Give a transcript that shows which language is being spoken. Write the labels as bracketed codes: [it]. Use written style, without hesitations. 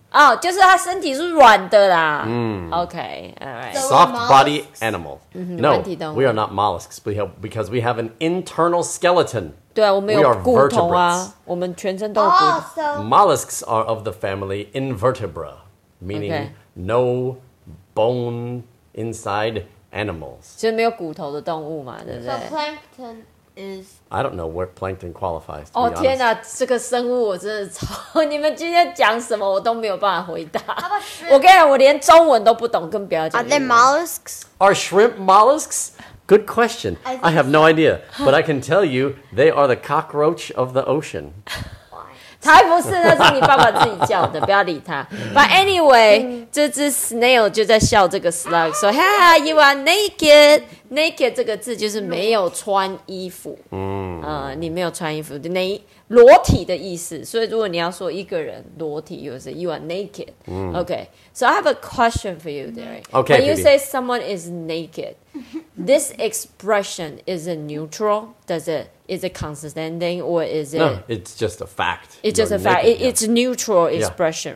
[zh] 哦、oh, ，就是它身体是软的啦。嗯、mm.。 [en] Okay. All right. Soft body animal.、 Mm-hmm, no, we are not mollusks. We have because we have an internal skeleton. [zh] 对啊，我们有骨头啊，我们全身都有骨头。 [en] Mollusks are of the family invertebra, meaning、okay. no. Bone inside animals. [zh] 就是没有骨头的动物嘛，对不对 [en] ？So plankton is. I don't know where plankton qualifies. [zh] 哦天哪，这个生物我真的超！你们今天讲什么我都没有办法回答。我跟你讲，我连中文都不懂，更不要讲。 [en] Are they mollusks? Are shrimp mollusks? Good question. I have no idea, but I can tell you they are the cockroach of the ocean. [zh] 才不是，那是你爸爸自己叫的，不要理他。 [en] But anyway, [zh] 这只 snail 就在笑这个 slug， 说哈哈 ， [en] You are naked. [zh] Naked 这个字就是没有穿衣服。嗯，你没有穿衣服，裸体的意思。所以如果你要说一个人裸体，就是 [en] You are naked.、嗯、 okay. So I have a question for you, Derry. Okay. When you say someone is naked, this expression is it neutral? Does it? Is it condescending or is it... No, it's just a fact. It's、You're、just a fact. Naked, it's、yeah. neutral expression,、